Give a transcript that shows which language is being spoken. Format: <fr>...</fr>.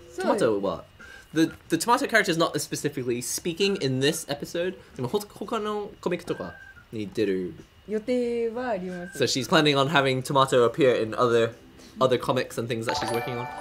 <ja>トマトは</ja> <en>the tomato character is not specifically speaking in this episode.</en> <ja>でも他のコミックとかに出る予定はあります。</ja> <en>So she's planning on having tomato appear in other comics and things that she's working on.</en>